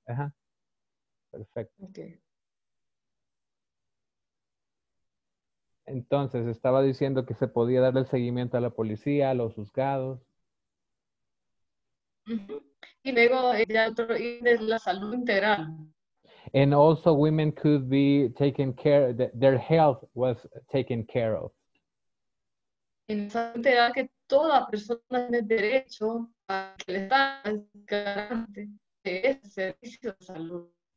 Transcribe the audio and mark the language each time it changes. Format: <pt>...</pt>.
<es>Ajá. Perfecto. Okay. Entonces, estaba diciendo que se podía darle seguimiento a la policía, a los juzgados. Y luego, ya otro, y de la salud integral.</es> <en>And also women could be taken care of, their health was taken care of.</en> <es>En salud integral, que toda persona tiene derecho a que le estén garante de ese servicio de salud.</es>